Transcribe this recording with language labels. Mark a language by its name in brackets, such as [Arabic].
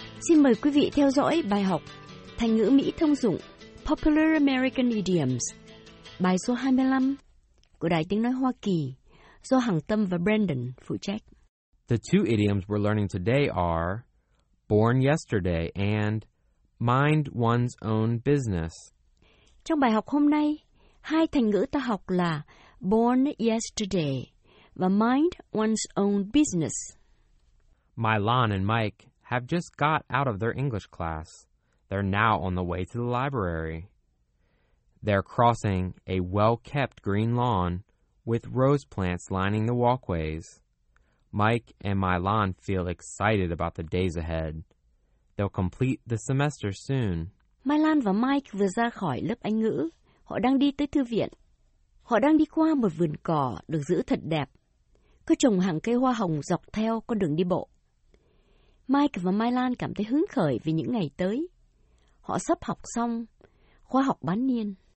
[Vietnamese] Xin mời quý vị theo dõi bài học Thành ngữ Mỹ thông dụng [English] Popular American Idioms, [Vietnamese] bài số 25 của Đài Tiếng Nói Hoa Kỳ do Hằng Tâm và Brandon phụ trách. [English] The two idioms we're learning today are born yesterday and mind one's own business. [Vietnamese] Trong bài học hôm nay, hai thành ngữ ta học là [English] born yesterday [Vietnamese] và [English] mind one's own business. Milan and Mike have just got out of their English class. They're now on the way to the library. They're crossing a well-kept green lawn with rose plants lining the walkways. Mike and Milan feel excited about the days ahead. They'll complete the semester soon. [Vietnamese] Milan và Mike vừa ra khỏi lớp Anh ngữ. Họ đang đi tới thư viện. Họ đang đi qua một vườn cỏ được giữ thật đẹp. Có trồng hàng cây hoa hồng dọc theo con đường đi bộ. Mike và Milan cảm thấy hứng khởi vì những ngày tới. Họ sắp học xong khóa học bán niên.